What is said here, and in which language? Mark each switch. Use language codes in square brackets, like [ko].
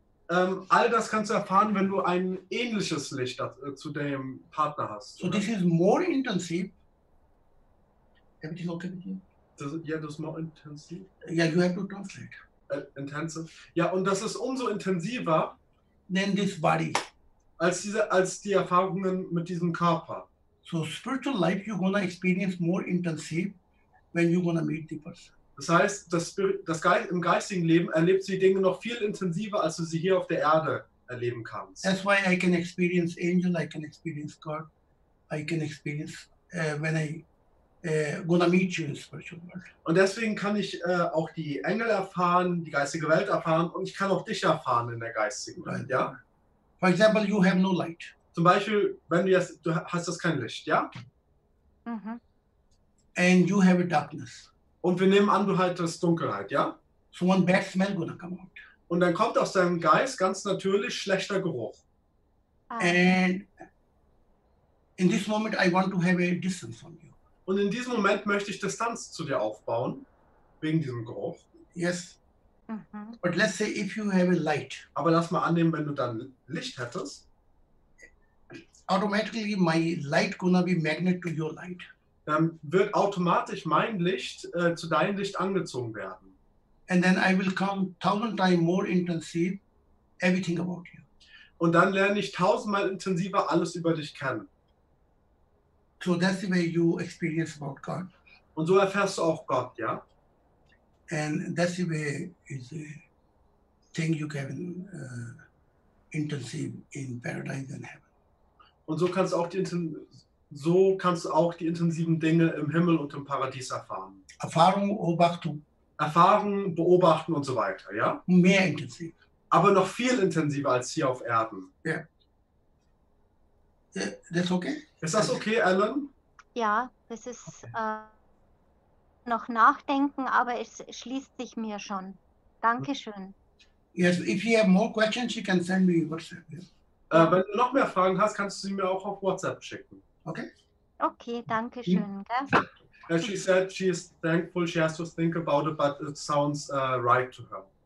[de] All das kannst du erfahren, wenn du ein ähnliches Licht zu deinem Partner hast. So oder? [en] This is more intensive. Everything okay with you? [de] Das ist [en] more intensive. Yeah, you have to translate. [de] Intensive. Ja, und das ist umso intensiver [en] than this body. [de] Als die Erfahrungen mit diesem Körper. [en] So spiritual life you're gonna experience more intensive when you're gonna meet the person. [de] Das heißt, im geistigen Leben erlebst du die Dinge noch viel intensiver, als du sie hier auf der Erde erleben kannst. [en] That's why I can experience angel, I can experience God, I can experience when I gonna meet you in spiritual world. [de] Und deswegen kann ich auch die Engel erfahren, die geistige Welt erfahren und ich kann auch dich erfahren in der geistigen Welt, right. Ja? [en] For example, you have no light. [de] Zum Beispiel, wenn du hast das kein Licht, ja? [en] Mm-hmm. And you have a darkness. [de] Und wir nehmen an, du hattest Dunkelheit, ja? [en] So one bad smell gonna come out. [de] Und dann kommt aus deinem Geist ganz natürlich schlechter Geruch. [en] And in this moment I want to have a distance from you. [de] Und in diesem Moment möchte ich Distanz zu dir aufbauen, wegen diesem Geruch. [en] Yes. Mm-hmm. But let's say if you have a light. [de] Aber lass mal annehmen, wenn du dann Licht hättest. [en] Automatically my light gonna be magnet to your light. [de] Dann wird automatisch mein Licht zu deinem Licht angezogen werden. [en] And then I will come 1,000 times more intensive everything about you. [de] Und dann lerne ich 1,000 mal intensiver alles über dich kennen. [en] So that's the way you experience about God. [de] Und so erfährst du auch Gott, ja? [en] And that's the way is the thing you can intensive in paradise and heaven. [de] Und so kannst du auch die So kannst du auch die intensiven Dinge im Himmel und im Paradies erfahren. Erfahrung, Beobachtung. Erfahrung, Beobachten und so weiter, ja? Mehr intensiv. Aber noch viel intensiver als hier auf Erden. Ja. [en] That's okay? [de] Ist das okay, Alan? Ja, das ist okay. Noch nachdenken, aber es schließt sich mir schon. Dankeschön. [en] Yes, if you have more questions, you can send me WhatsApp. Yeah. [de] Wenn du noch mehr Fragen hast, kannst du sie mir auch auf WhatsApp schicken. Okay. Okay, danke schön. [en] Yeah, she said she is thankful, she has to think about it, but it sounds right to her.